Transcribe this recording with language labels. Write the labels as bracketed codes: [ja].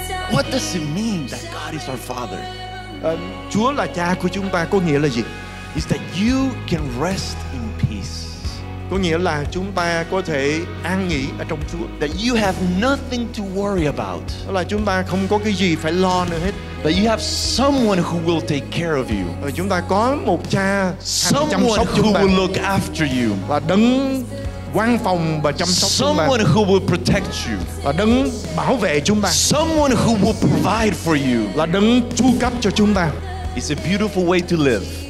[en] What does it mean that God is our Father? [vi] Chúa là cha của chúng ta có nghĩa là gì? [en] Is that you can rest in peace. [vi] Có nghĩa là chúng ta có thể an nghỉ ở trong Chúa. [en] That you have nothing to worry about. [vi] Là chúng ta không có cái gì phải lo nữa hết. [en] That you have someone who will take care of you. [vi] Chúng ta có một cha chăm sóc chúng ta. [en] Someone who will look after you. [vi] Và đấng quan phòng và chăm sóc chúng ta. [en] Someone who will protect you. [vi] Là đấng bảo vệ chúng ta. [en] Someone who will provide for you. [vi] Là đấng chu cấp cho chúng ta. [en] It's a beautiful way to live.